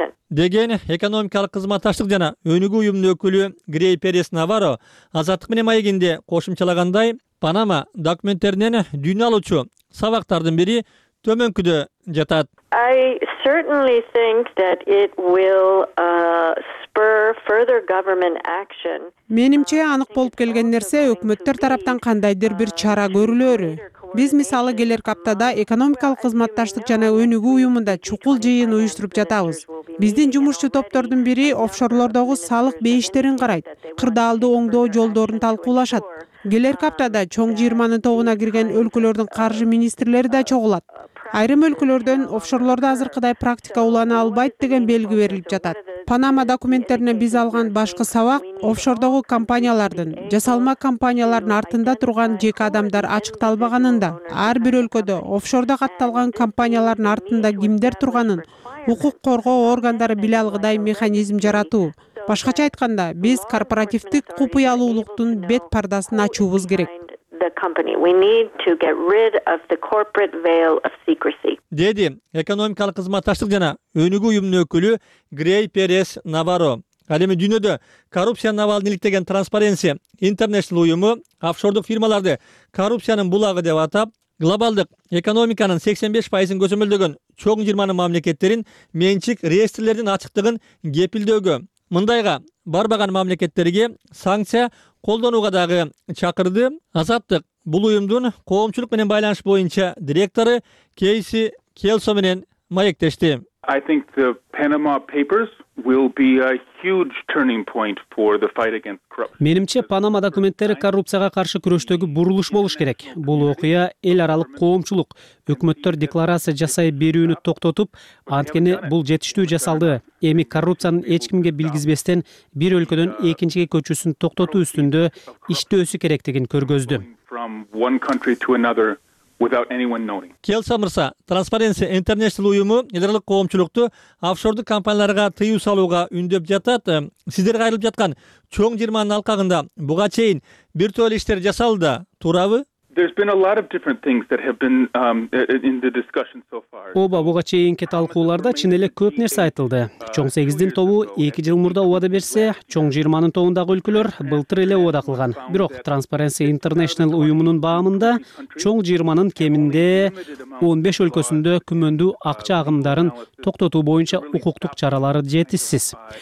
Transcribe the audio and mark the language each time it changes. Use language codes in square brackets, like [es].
[ky] Деген экономикалык кызматташтык жана өнүгүү уюмунун өкүлү Грей Перес Наваро азаттык менен маегинде кошумчалагандай, Панама документтеринен дүйнө алуучу сабактардын бири төмөнкүдө жатат. [en] I certainly think that it will spur further government action. [ky] Менимче анык болуп келген нерсе өкмөттөр тараптан кандайдыр бир чара көрүлөрү. Биз мисалы келерки аптада экономикалык кызматташтык жана өнүгүү уюмунда чукул жыйын уюштуруп жатабыз. Биздин жумушчу топтордун бири офшорлордогу салык бейиштерин карайт, кырдаалды оңдоо жолдорун талкуулашат. Келерки аптада чоң 20 тобуна кирген өлкөлөрдүн каржы министрлери да чогулат. Айрым өлкөлөрдөн офшорлордо азыркыдай практика улана албайт деген белги берилип жатат. Панама документтерине биз алган башкы сабак офшордогу компаниялардын, жасалма компаниялардын артында турган жеке адамдар ачыкталбаганында, ар бир өлкөдө офшордо катталган компаниялардын артында кимдер турганын укук коргоо органдары биле алгыдай механизм жаратуу. Башкача айтканда, биз корпоративдик купуялуулуктун бет пардасын ачуубуз керек. [en] The company. We need to get rid of the corporate veil of secrecy. [ky] Деди экономикалык кызматташтык жана өнүгүү уюмунун өкүлү Грей Перес Наваро. Ал эми дүйнөдө коррупциянын абалын иликтеген Transparency International уюму офшордук фирмаларды коррупциянын булагы деп атап, глобалдык экономиканын 85% көзөмөлдөгөн чоң 20 мамлекеттерин менчик реестрлердин ачыктыгын кепилдөөгө, мындайга барбаган мамлекеттерге санкция колдонууга дагы чакырды. Азаттык бул уюмдун коомчулук менен байланыш боюнча директору Кейси Келсо менен маектешти. [en] I think the Panama Papers will be a huge turning point for the fight against corruption. [ky] Менимче Панама документтери коррупцияга каршы күрөштөгү бурулуш болуш керек. Бул окуя эл аралык коомчулук, өкмөттөр декларация жасай берүүнү токтотуп, анткени бул жетиштүү жасалды. Эми коррупциянын эч кимге билгизбестен бир өлкөдөн экинчиге көчүүсүн токтотуу үстүндө иштөөсү керектигин көргөздү. [en] Without anyone knowing. [ky] Келса мырса, Transparency International уюму эл аралык коомчулукту офшордук компанияларга тыюу салууга үндөп жатат. Сиздер кайрылып жаткан чоң жырманын алкагында буга чейин бир тоолу иштер жасалды, туурабы? [en] There's been a lot of different things that have been in the discussion so far. [ky] Ооба, буга чейинки талкууларда чын эле көп нерсе айтылды. Чоң 8дин тобу 2 жыл мурда убада берсе, чоң 20нын тобундагы өлкөлөр былтыр эле убада кылган. Бирок Transparency International уюмунун баамында чоң 20нын кеминде 15 өлкөсүндө күмөндүү акча агымдарын токтотуу боюнча укуктук чаралары жетишсиз.